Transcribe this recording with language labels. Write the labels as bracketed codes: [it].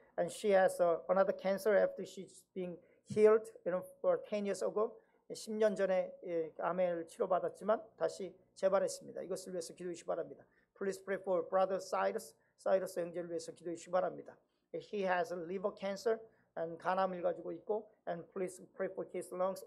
[en] And she has another cancer after she's been healed you know, for 10 years ago. [ko] 10년 전에 암을 치료받았지만 다시 재발했습니다. 이것을 위해서 기도해 주시기 바랍니다. [en] Please pray for Brother Cyrus. [ko] Cyrus 형제를 위해서 기도해 주시기 바랍니다. [en] He has a liver cancer and [ko] 간암을 가지고 있고 [en] and please pray for his lungs.